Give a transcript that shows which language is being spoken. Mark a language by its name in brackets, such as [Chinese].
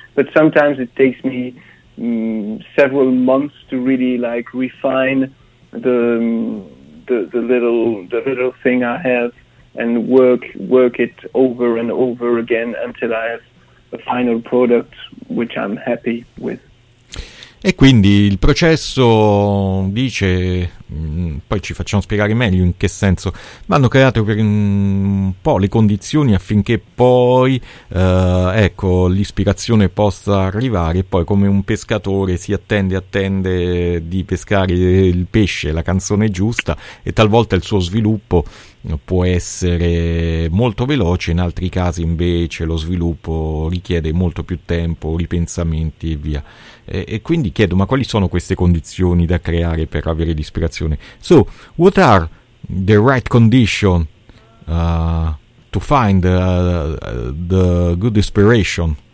[English] But sometimes it takes me several months to really like refine the little thing I have and work it over and over again until I have a final product which I'm happy with. [Italian] E quindi il processo, dice, poi ci facciamo spiegare meglio in che senso, ma hanno creato per un po' le condizioni affinché poi, ecco, l'ispirazione possa arrivare, e poi come un pescatore si attende di pescare il pesce, la canzone giusta, e talvolta il suo sviluppo può essere molto veloce, in altri casi invece lo sviluppo richiede molto più tempo, ripensamenti e via. E quindi chiedo, ma quali sono queste condizioni da creare per avere l'ispirazione? [English] So, what are the right conditions to find the good inspiration?